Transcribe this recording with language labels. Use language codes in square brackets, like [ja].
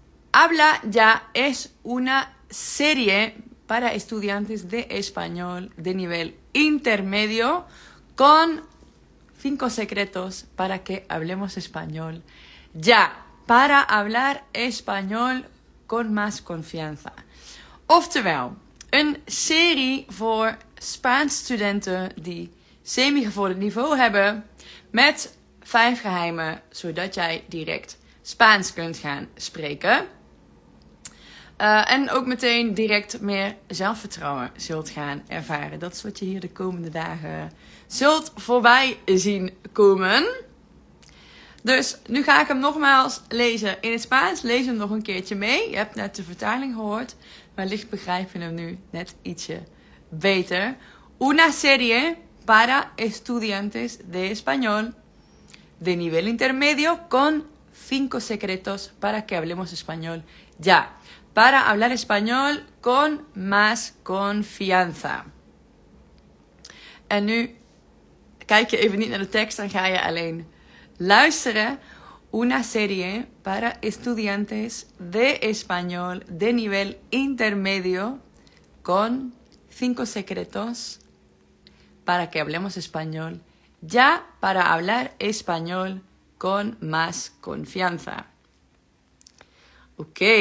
[es] Habla ya es una serie para estudiantes de español de nivel intermedio con 5 secretos para que hablemos español ya. Para hablar español con más confianza. [nl] Oftewel, een serie voor Spaans studenten die semi-gevorderd niveau hebben met 5 geheimen, zodat jij direct Spaans kunt gaan spreken. En ook meteen direct meer zelfvertrouwen zult gaan ervaren. Dat is wat je hier de komende dagen zult voorbij zien komen. Dus nu ga ik hem nogmaals lezen in het Spaans. Lees hem nog een keertje mee. Je hebt net de vertaling gehoord. Wellicht begrijp je hem nu net ietsje beter. [es] Una serie para estudiantes de español de nivel intermedio con 5 secretos para que hablemos español ya. Para hablar español con más confianza. [nl] En nu kijk je even niet naar de tekst, dan ga je alleen luisteren. [es] Una serie para estudiantes de español de nivel intermedio con 5 secretos para que hablemos español ya para hablar español con más confianza. Ok.